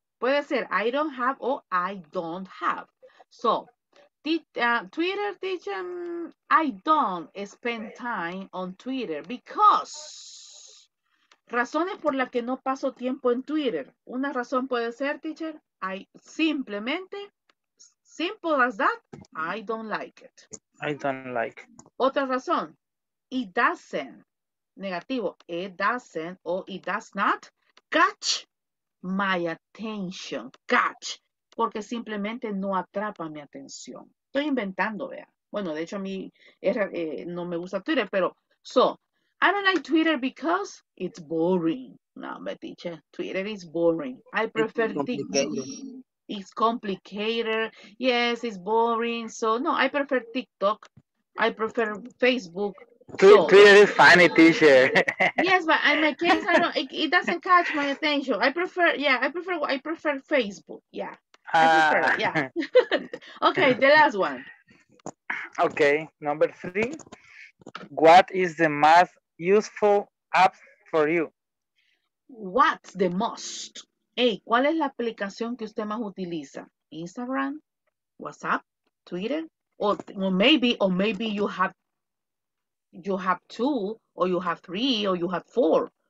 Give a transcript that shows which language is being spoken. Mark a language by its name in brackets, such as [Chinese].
[English] Puede ser I don't have or I don't have. So, Twitter, teacher, I don't spend time on Twitter because... [Spanish] Razones por las que no paso tiempo en Twitter. Una razón puede ser, [English] teacher, I [Spanish] simplemente, [English] simple as that, I don't like it. I don't like. [Spanish] Otra razón, [English] it doesn't, [Spanish] negativo, it doesn't o [English] it does not catch my attention, [Spanish] catch, porque simplemente no atrapa mi atención. Estoy inventando, vea. Bueno, de hecho, a mí no me gusta Twitter, pero, so, [English] I don't like Twitter because it's boring. [Spanish] No, me dice, [English] Twitter is boring. I prefer TikTok. It's complicated. Yes, it's boring. So, no, I prefer TikTok. I prefer Facebook. Twitter is funny, teacher. Yes, but in my case, I don't, it doesn't catch my attention. I prefer Facebook. Yeah. Okay, the last one. Okay, number three. What is the most useful app for you? What's the most? [Spanish] Hey, ¿cuál es la aplicación que usted más utiliza? [English] Instagram, WhatsApp, Twitter, or maybe you have two, or you have three, or you have four.